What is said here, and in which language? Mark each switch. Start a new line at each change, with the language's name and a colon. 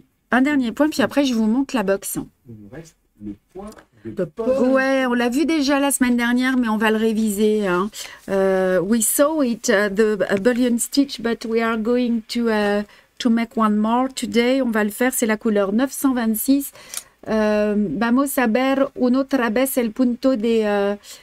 French: Un dernier point, puis après, je vous montre la box. Il nous reste le point de Paul. Ouais, on l'a vu déjà la semaine dernière, mais on va le réviser. Hein.
English: We saw it, the bullion stitch, but we are going to make one more today.
French: On va le faire, c'est la couleur 926.
Spanish: Vamos a ver una otra vez el punto de...